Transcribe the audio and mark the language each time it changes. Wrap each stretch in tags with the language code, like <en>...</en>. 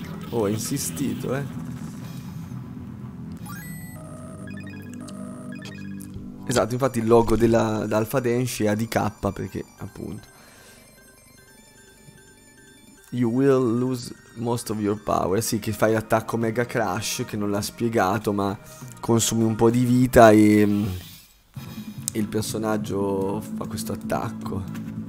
<it>Oh, hai insistito, eh. Esatto, infatti il logo dell'Alpha Denshi è ADK perché, appunto.</it> <en>You will lose most of your power.</en> <it>Sì, che fai l'attacco Mega Crash, che non l'ha spiegato, ma consumi un po' di vita e il personaggio fa questo attacco.</it>